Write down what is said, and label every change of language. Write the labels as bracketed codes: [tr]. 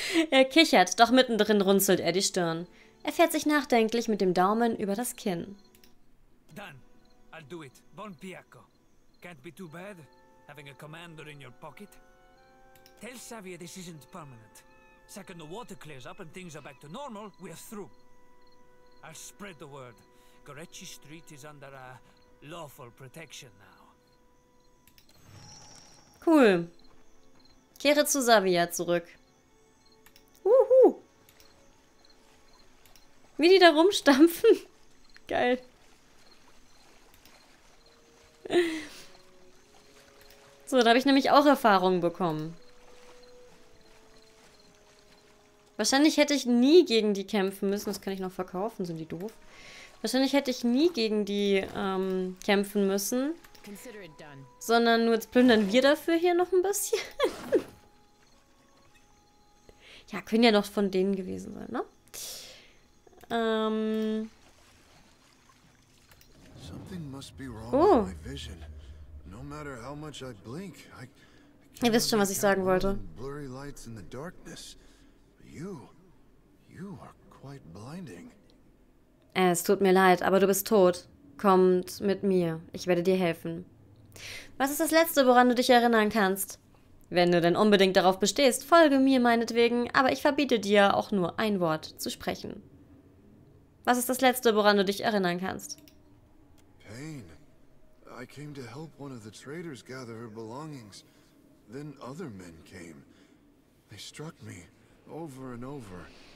[de] Er kichert, doch mittendrin runzelt er die Stirn. Er fährt sich nachdenklich mit dem Daumen über das Kinn. [en] Done. I'll do it. Bon Piaco. Can't be too bad, having a commander in your pocket. Tell Xavier this isn't permanent. Second the water clears up and things are back to normal, we're through. I'll spread the word. Goretti Street is under a lawful protection now. [de] Cool. Kehre zu Xavier zurück. Wuhu. Wie die da rumstampfen. Geil. So, da habe ich nämlich auch Erfahrungen bekommen. Wahrscheinlich hätte ich nie gegen die kämpfen müssen. Das kann ich noch verkaufen. Sind die doof? Wahrscheinlich hätte ich nie gegen die kämpfen müssen. [en] Consider it done. [de] Sondern nur jetzt plündern wir dafür hier noch ein bisschen. Ja, können ja noch von denen gewesen sein, ne? [en] Something must be wrong with Oh. my vision. No matter how much I blink, I [de] Ihr wisst schon, was ich sagen wollte. [en] blurry lights in the darkness. You are quite blinding. [de] Es tut mir leid, aber du bist tot. Kommt mit mir. Ich werde dir helfen. Was ist das Letzte, woran du dich erinnern kannst? Wenn du denn unbedingt darauf bestehst, folge mir meinetwegen, aber ich verbiete dir auch nur ein Wort zu sprechen. Was ist das Letzte, woran du dich erinnern kannst? [en] Pain. I came to help one of the traders gather her belongings. Then other men came. They struck me over and over.